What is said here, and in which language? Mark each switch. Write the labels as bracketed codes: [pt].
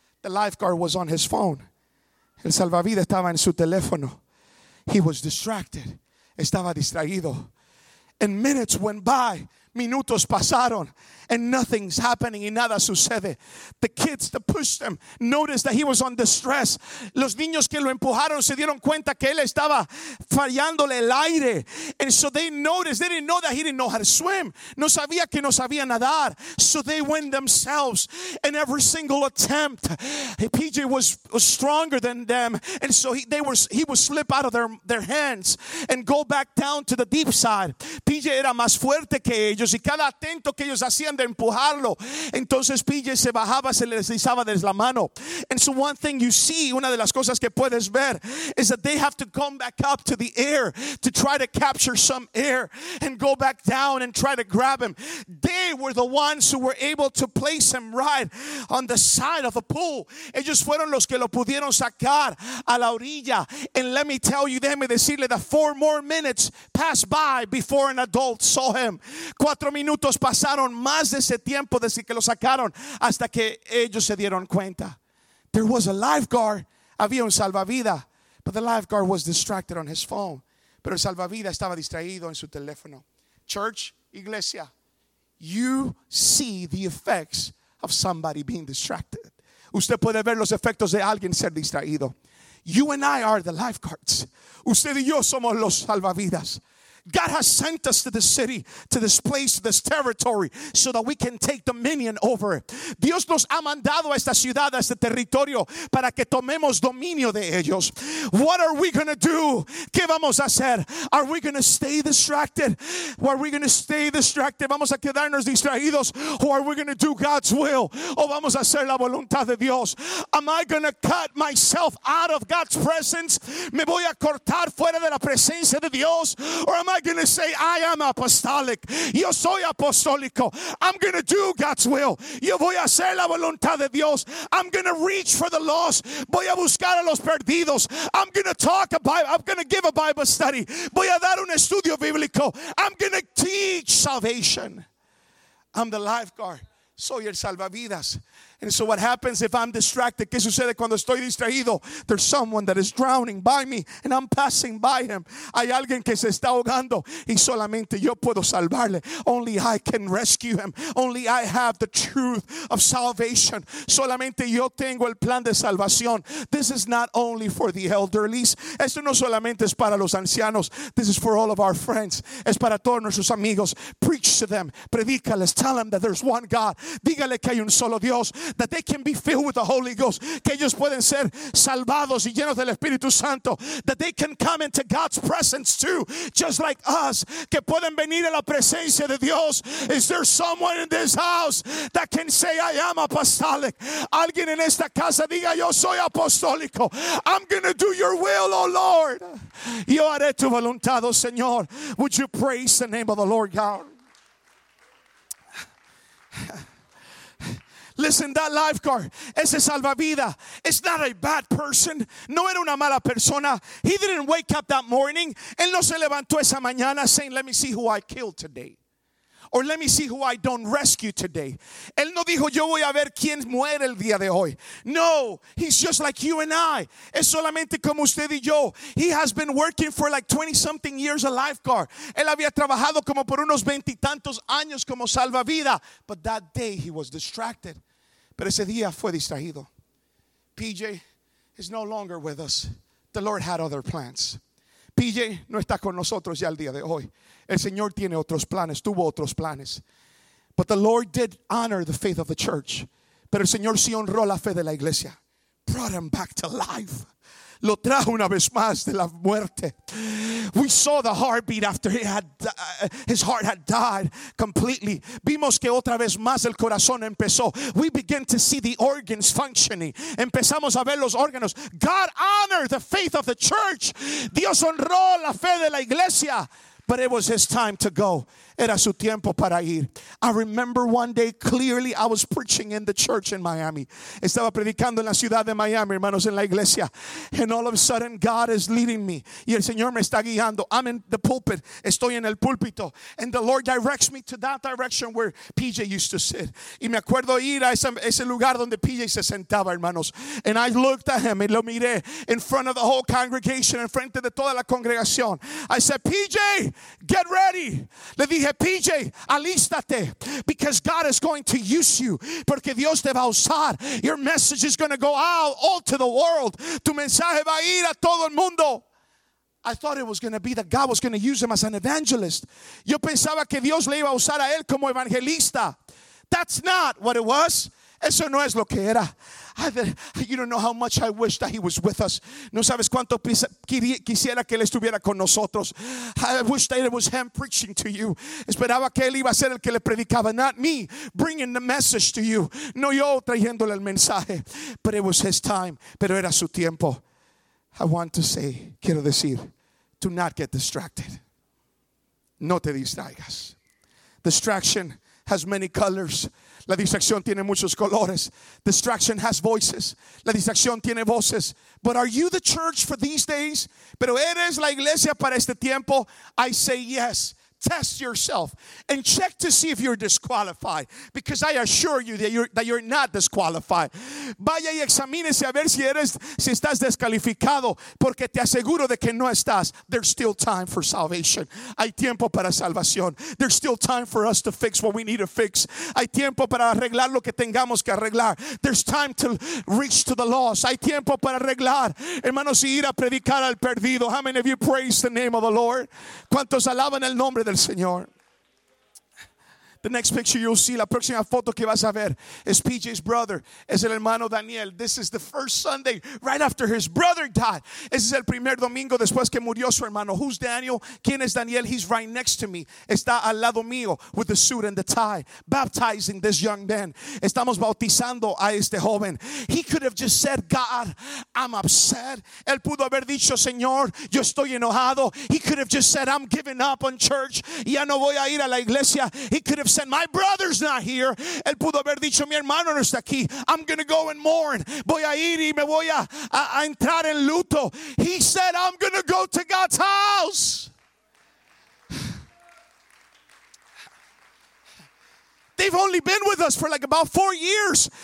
[en] The lifeguard was on his phone. [es] El salvavidas estaba en su teléfono. [en] He was distracted. [es] Estaba distraído. [en] And minutes went by. [es] Minutos pasaron. [en] And nothing's happening. [es] Y nada sucede. [en] The kids that pushed him noticed that he was on distress. [es] Los niños que lo empujaron se dieron cuenta que él estaba fallándole el aire. [en] And so they noticed. They didn't know that he didn't know how to swim. [es] No sabía que no sabía nadar. [en] So they went themselves. And every single attempt, PJ was stronger than them. And so he would slip out of their hands and go back down to the deep side. [es] PJ era más fuerte que ellos. Y cada atento que ellos hacían de empujarlo, entonces PJ se bajaba, se le deslizaba desde la mano. [en] And so one thing you see, [es] una de las cosas que puedes ver, [en] is that they have to come back up to the air to try to capture some air and go back down and try to grab him. They were the ones who were able to place him right on the side of the pool. [es] Ellos fueron los que lo pudieron sacar a la orilla. [en] And let me tell you, [es] déjeme decirle [en] that 4 more minutes passed by before an adult saw him. [es] 4 minutos pasaron más de ese tiempo desde que lo sacaron hasta que ellos se dieron cuenta. [en] There was a lifeguard. [es] Había un salvavidas. [en] But the lifeguard was distracted on his phone. [es] Pero el salvavidas estaba distraído en su teléfono. [en] Church, iglesia, you see the effects of somebody being distracted. [es] Usted puede ver los efectos de alguien ser distraído. [en] You and I are the lifeguards. [es] Usted y yo somos los salvavidas. [en] God has sent us to this city, to this place, to this territory, so that we can take dominion over it. [es] Dios nos ha mandado a esta ciudad, a este territorio, para que tomemos dominio de ellos. [en] What are we going to do? [es] ¿Qué vamos a hacer? [en] Are we going to stay distracted? Or are we going to stay distracted? [es] ¿Vamos a quedarnos distraídos? [en] Or are we going to do God's will? [es] ¿O vamos a hacer la voluntad de Dios? [en] Am I going to cut myself out of God's presence? [es] ¿Me voy a cortar fuera de la presencia de Dios? [en] Or am I going to say, I am apostolic? [es] Yo soy apostólico. [en] I'm going to do God's will. [es] Yo voy a hacer la voluntad de Dios. [en] I'm going to reach for the lost. [es] Voy a buscar a los perdidos. [en] I'm going to talk a Bible. I'm going to give a Bible study. [es] Voy a dar un estudio bíblico. [en] I'm going to teach salvation. I'm the lifeguard. [es] Soy el salvavidas. [en] And so what happens if I'm distracted? [es] ¿Qué sucede cuando estoy distraído? [en] There's someone that is drowning by me and I'm passing by him. [es] Hay alguien que se está ahogando y solamente yo puedo salvarle. [en] Only I can rescue him. Only I have the truth of salvation. [es] Solamente yo tengo el plan de salvación. [en] This is not only for the elderly. [es] Esto no solamente es para los ancianos. [en] This is for all of our friends. [es] Es para todos nuestros amigos. [en] Preach to them. [es] Predícales. [en] Tell them that there's one God. [es] Dígale que hay un solo Dios. [en] That they can be filled with the Holy Ghost. [es] Que ellos pueden ser salvados y llenos del Espíritu Santo. [en] That they can come into God's presence too, just like us. [es] Que pueden venir a la presencia de Dios. [en] Is there someone in this house that can say, I am apostolic? [es] Alguien en esta casa diga, yo soy apostólico. [en] I'm going to do your will, oh Lord. [es] Yo haré tu voluntad, oh Señor. [en] Would you praise the name of the Lord God? Listen, that lifeguard, [es] ese salvavidas, [en] is not a bad person. [es] No era una mala persona. [en] He didn't wake up that morning. [es] Él no se levantó esa mañana [en] saying, let me see who I killed today. Or let me see who I don't rescue today. [es] Él no dijo, yo voy a ver quién muere el día de hoy. [en] No, he's just like you and I. [es] Es solamente como usted y yo. [en] He has been working for like 20-something years a lifeguard. [es] Él había trabajado como por unos 20-tantos años como salvavidas. [en] But that day he was distracted. [es] Pero ese día fue distraído. [en] PJ is no longer with us. The Lord had other plans. [es] PJ no está con nosotros ya el día de hoy. El Señor tiene otros planes, tuvo otros planes. [en] But the Lord did honor the faith of the church. [es] Pero el Señor sí honró la fe de la iglesia. [en] Brought him back to life. [es] Lo trajo una vez más de la muerte. [en] We saw the heartbeat after he had his heart had died completely. [es] Vimos que otra vez más el corazón empezó. [en] We begin to see the organs functioning. [es] Empezamos a ver los órganos. [en] God honored the faith of the church. [es] Dios honró la fe de la iglesia. [en] But it was his time to go. [es] Era su tiempo para ir. [en] I remember one day clearly I was preaching in the church in Miami. [es] Estaba predicando en la ciudad de Miami, hermanos, en la iglesia. [en] And all of a sudden God is leading me. [es] Y el Señor me está guiando. [en] I'm in the pulpit. [es] Estoy en el púlpito. [en] And the Lord directs me to that direction where PJ used to sit. [es] Y me acuerdo ir a ese lugar donde PJ se sentaba, hermanos. [en] And I looked at him [es] y lo miré [en] in front of the whole congregation, [es] en frente de toda la congregación. [en] I said, PJ, get ready. [es] Le dije, PJ, alístate, [en] because God is going to use you. [es] Porque Dios te va a usar. [en] Your message is going to go out all to the world. [es] Tu mensaje va a ir a todo el mundo. [en] I thought it was going to be that God was going to use him as an evangelist. [es] Yo pensaba que Dios le iba a usar a él como evangelista. [en] That's not what it was. [es] Eso no es lo que era. [en] You don't know how much I wish that he was with us. [es] No sabes cuánto quisiera que él estuviera con nosotros. [en] I wish that it was him preaching to you. [es] Esperaba que él iba a ser el que le predicaba. [en] Not me bringing the message to you. [es] No yo trayéndole el mensaje. [en] But it was his time. [es] Pero era su tiempo. [en] I want to say, [es] quiero decir, [en] do not get distracted. [es] No te distraigas. [en] Distraction has many colors. [es] La distracción tiene muchos colores. [en] Distraction has voices. [es] La distracción tiene voces. [en] But are you the church for these days? [es] Pero eres la iglesia para este tiempo? [en] I say yes. Test yourself and check to see if you're disqualified. Because I assure you that you're not disqualified. [es] Vaya y examínese a ver si estás descalificado. Porque te aseguro de que no estás. [en] There's still time for salvation. [es] Hay tiempo para salvación. [en] There's still time for us to fix what we need to fix. [es] Hay tiempo para arreglar lo que tengamos que arreglar. [en] There's time to reach to the lost. [es] Hay tiempo para arreglar. Hermanos, y ir a predicar al perdido. [en] How many of you praise the name of the Lord? [es] ¿Cuántos alaban el nombre del Señor? [en] The next picture you'll see, [es] la próxima foto que vas a ver, [en] is PJ's brother. [es] Es el hermano Daniel. [en] This is the first Sunday right after his brother died. [es] Ese es el primer domingo después que murió su hermano. [en] Who's Daniel? [es] ¿Quién es Daniel? [en] He's right next to me. [es] Está al lado mío [en] with the suit and the tie. Baptizing this young man. [es] Estamos bautizando a este joven. [en] He could have just said, God, I'm upset. [es] Él pudo haber dicho, Señor, yo estoy enojado. [en] He could have just said, I'm giving up on church. [es] Ya no voy a ir a la iglesia. [en] He could have said, my brother's not here. [es] Él pudo haber dicho, mi hermano no está aquí. [en] I'm going to go and mourn. [es] Voy a ir y me voy a entrar en luto. [en] He said, I'm going to go to God's house. They've only been with us for like about 4 years.